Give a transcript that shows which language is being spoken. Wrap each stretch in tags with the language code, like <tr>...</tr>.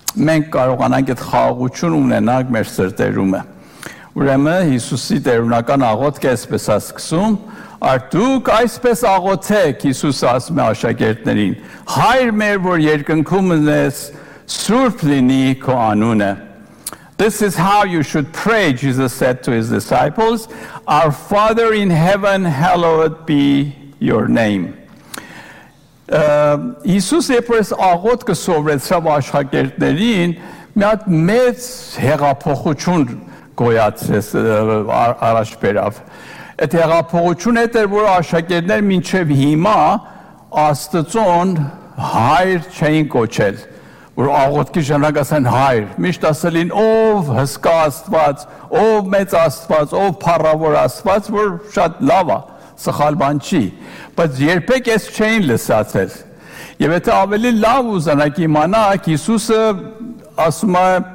<hy>մենք կարողանանք այդ խաղաղություն ունենալ մեր սրտերումը։ Ուրեմն Հիսուսի տերունական աղոթքը այսպես է սկսում. Ար դուք այսպես աղոթեք, Հիսուս ասում է աշակերտներին, Հայր մեր, որ երկնքում ես, սուրբ լինի քո անունը,</hy> <en>This is how you should pray, Jesus said to his disciples. Our Father in heaven, hallowed be your name.</en> <hy>Իսուս երբ աղոթքը սովորեցավ աշակերտներին, միատ մեծ հեղափոխություն գոյացրեց, առաջ բերավ։ Այդ հեղափոխություն հետ էր, որ աշակերտներ մինչև հիմա Աստծոն հայր չէին կոչել, որ աղոթքի ժամանակ ասեն հայր, միշտ ասելին ով հսկա Աստված, ով մեծ Աստված, ով փառավոր Աստված, որ շատ լավ է, սխալ բան չի, բայց երբեք ես չէին լսացել։ Եվ եթե ավելի լավ ուզենակ իմանաք, Հիսուսը ասում է,</hy>